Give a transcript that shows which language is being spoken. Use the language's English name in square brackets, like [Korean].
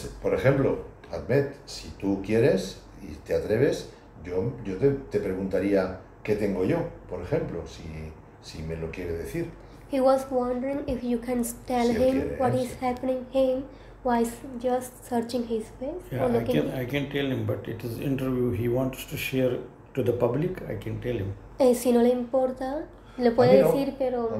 [Spanish] Por ejemplo, Ahmed, si tú quieres y te atreves, yo te preguntaría qué tengo yo, por ejemplo, si me lo quiere decir. [English] He was wondering if you can tell him what is happening him while just searching his face. Yeah, I can tell him, but it is interview. He wants to share to the public. I can tell him. [Spanish] Si no le importa, le puede decir, pero